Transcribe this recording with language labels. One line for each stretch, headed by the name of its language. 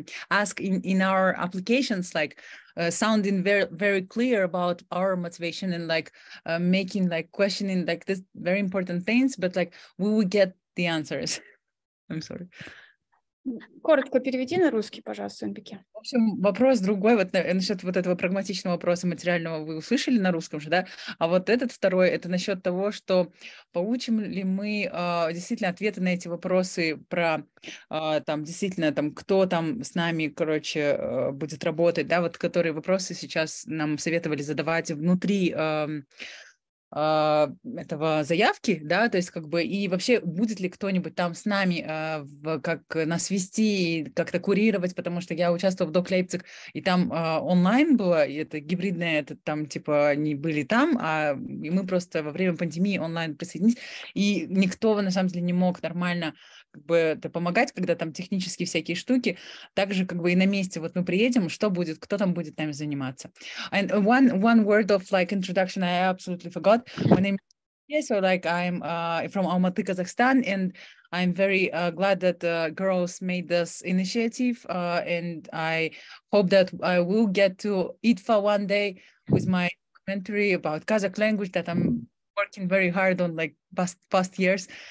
English: ask in our applications, like sounding very very clear about our motivation, and like making like questioning like this very important things, but like we will get the answers. I'm sorry.
Russian: Коротко переведи на русский, пожалуйста, Анбике. В общем, вопрос другой, вот насчет вот этого прагматичного вопроса материального вы услышали на русском же, да? А вот этот второй, это насчет того, что получим ли мы действительно ответы на эти вопросы про, там, действительно, там, кто там с нами, короче, будет работать, да, вот которые вопросы сейчас нам советовали задавать внутри этого заявки, да, то есть как бы и вообще будет ли кто-нибудь там с нами, как нас вести, как-то курировать, потому что я участвовала в Doc Leipzig, и там онлайн было, и это гибридное, это там типа не были там, а мы просто во время пандемии онлайн присоединились, и никто на самом деле не мог нормально как бы это помогать, когда там технические всякие штуки, также как бы и на месте вот мы приедем, что будет, кто там будет нами заниматься.
English: And one word of like introduction, I absolutely forgot. My name is, so like I'm from Almaty, Kazakhstan, and I'm very glad that girls made this initiative, and I hope that I will get to IDFA one day with my commentary about Kazakh language that I'm working very hard on like past years.